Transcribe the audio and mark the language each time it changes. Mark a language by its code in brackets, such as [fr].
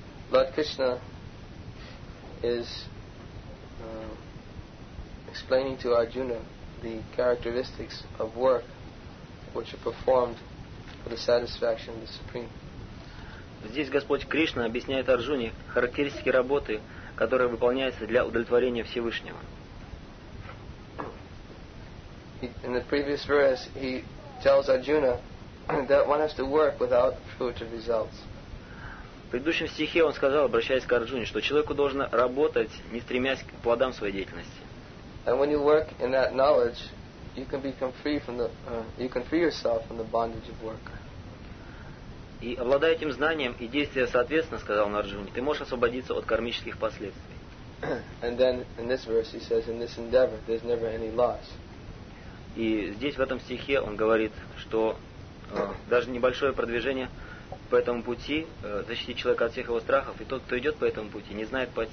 [en] Lord Krishna is explaining to Arjuna the characteristics of work which are performed for the satisfaction of the Supreme. [ru] Здесь Господь Кришна объясняет Арджуне характеристики работы, которая выполняется для удовлетворения Всевышнего. [en] In the previous verse, he tells Arjuna that one has to work without fruit of results. [ru] В предыдущем стихе он сказал, обращаясь к Арджуне, что человеку должно работать, не стремясь к плодам своей деятельности. [en] And when you work in that knowledge, you can become free from the, you can free yourself from the bondage of work. [ru] И обладая этим знанием и действуя соответственно, сказал Арджуна, ты можешь освободиться от кармических последствий. [en] And then in this verse he says, in this endeavor, there's never any loss. [ru] И здесь в этом стихе он говорит, что даже небольшое продвижение по этому пути защитит человека от всех его страхов, и тот, кто идет по этому пути, не знает